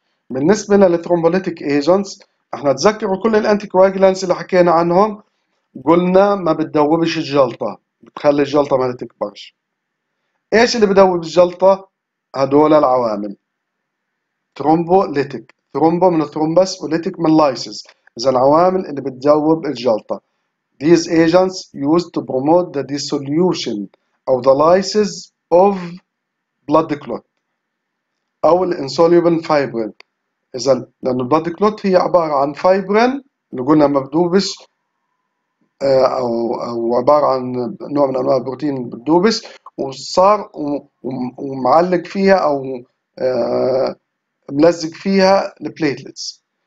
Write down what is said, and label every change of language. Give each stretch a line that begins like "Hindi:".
Arabic: بالنسبة للترومبوليتيك ايجنتس، احنا تذكروا كل الانتيكواجلانس اللي حكينا عنهم، قلنا ما بتدوبش الجلطة، بتخلي الجلطة ما تكبرش. ايش اللي بدوب الجلطة؟ هدول العوامل، ترومبوليتيك، ترومبو من ترومبس وليتيك من لايسيس، اذا العوامل اللي بتدوب الجلطة.
English: These agents used to promote the dissolution of the lysis of blood clot او insoluble fibrin.
Arabic: إذا لأن البلاد كلوت هي عبارة عن فايبرين اللي قلنا ما بدوبش، أو عبارة عن نوع من أنواع البروتين بدوبش، وصار ومعلق فيها أو ملزق فيها البليتلتس.